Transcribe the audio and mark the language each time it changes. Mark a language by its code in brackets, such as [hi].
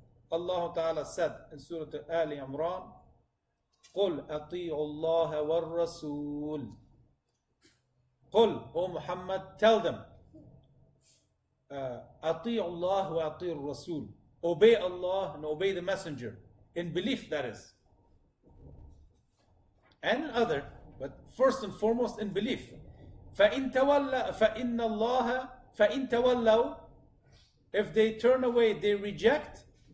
[en] Allah ta'ala said in Surah Ali Imran, [ar] قُلْ أَطِيعُ اللَّهَ وَالرَّسُولِ. قُلْ, [en] O Muhammad, tell them, [ar] أَطِيعُ اللَّهَ وَأَطِيعُ الرَّسُولِ. [en] Obey Allah and obey the messenger, in belief that is. And in other, but first and foremost in belief. [ar] فَإِن تَوَلَّ فَإِنَّ اللَّهَ فَإِن تَوَلَّوْا. [en] If they turn away, they reject.